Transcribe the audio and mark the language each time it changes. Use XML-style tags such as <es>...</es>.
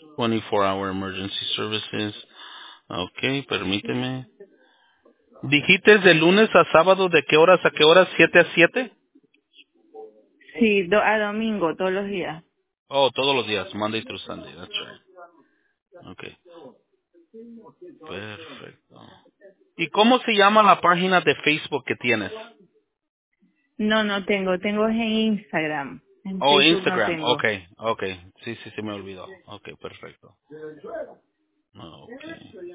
<en>24-hour emergency services.</en> <es>Okay, permíteme. ¿Dijiste de lunes a sábado de qué horas a qué horas? ¿7 a 7? Sí, a domingo, todos los días. Oh, todos los días,</es> <en>Monday through Sunday, that's right.</en> <es>Okay. Perfecto. ¿Y cómo se llama la página de Facebook que tienes? No tengo, es en Instagram. Instagram, no tengo. Okay. Sí, me olvidó. Okay, perfecto. Okay.</es>